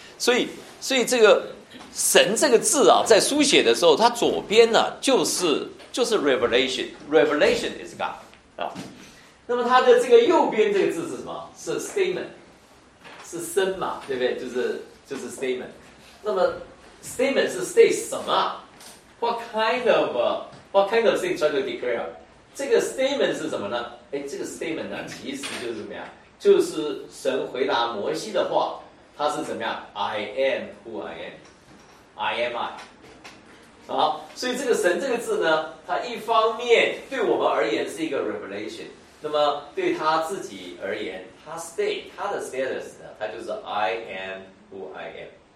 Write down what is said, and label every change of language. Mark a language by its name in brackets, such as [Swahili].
[Chinese] 所以这个神这个字啊，在书写的时候，它左边呢、啊、就是 revelation is God 啊。那么它的这个右边这个字是什么？是 statement， 是声嘛，对不对？就是 statement。那么Statement 是 state 什么 ？ [English] What kind of thing try to declare？ [Chinese] 这个 statement 是什么呢？哎，这个 statement 呢，其实就是怎么样？就是神回答摩西的话，他是怎么样 ？ [English] I am who I am，I am I。 [Chinese] 所以这个神这个字呢，它一方面对我们而言是一个 revelation， 那么对他自己而言，他 stay， 他的 status 呢，他就是 [English] I am who I am。